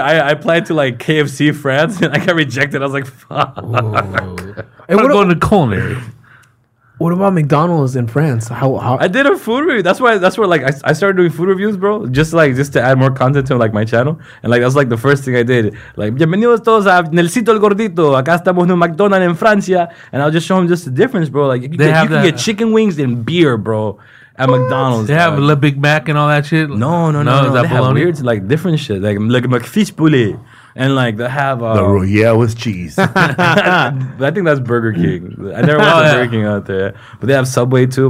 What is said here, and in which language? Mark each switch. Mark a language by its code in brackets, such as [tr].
[en] I applied to like KFC France, and I got rejected. I was like, fuck. I'm going to culinary. What about McDonald's in France? How I did a food review. That's where like I started doing food reviews, bro. Just to add more content to like my channel. And like that's like the first thing I did. [es] Like, bienvenidos todos a Nelsito el Gordito. Acá estamos en un McDonald's en Francia. [en] And I'll just show them just the difference, bro. Like you can get chicken wings and beer, bro, at what? McDonald's. They have a Big Mac and all that shit. No. Is that they have weird, like different shit. Like McFish Poulet. And like they have the Royale with cheese. I think that's Burger King. I never went to Burger King out there, but they have Subway too.